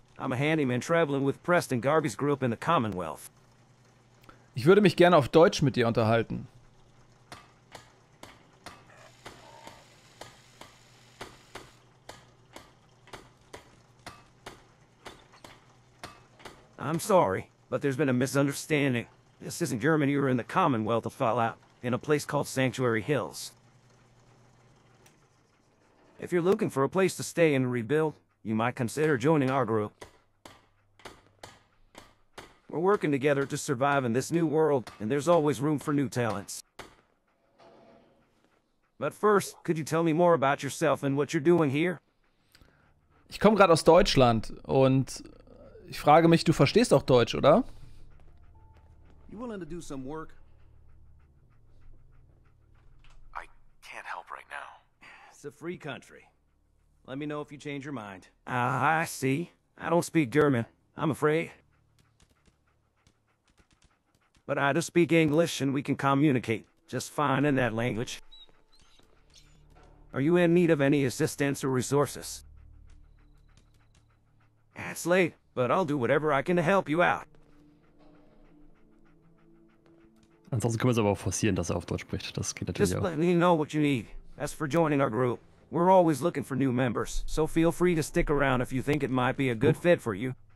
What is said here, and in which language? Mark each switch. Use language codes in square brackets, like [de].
[en] I'm a handyman traveling with Preston Garvey's group in the Commonwealth. [de] Ich würde mich gerne auf Deutsch mit dir unterhalten. [en] I'm sorry, but there's been a misunderstanding. This isn't Germany or in the Commonwealth of Fallout, in a place called Sanctuary Hills. If you're looking for a place to stay and rebuild, you might consider joining our group. We're working together to survive in this new world, and there's always room for new talents. But first, could you tell me more about yourself and what you're doing here? [de] Ich komme gerade aus Deutschland und ich frage mich, du verstehst auch Deutsch, oder? [en] You willing to do some work? I can't help right now. It's a free country. Let me know if you change your mind. I see. I don't speak German, I'm afraid. But I just speak English and we can communicate just fine in that language. Are you in need of any assistance or resources? It's late, but I'll do whatever I can to help you out. [de] Ansonsten können wir es aber auch forcieren, dass er auf Deutsch spricht. Das geht natürlich [en] just [de] auch. [en] Just let me know what you need. As for joining our group, we're always looking for new members, so feel free to stick around if you think it might be a good fit for you.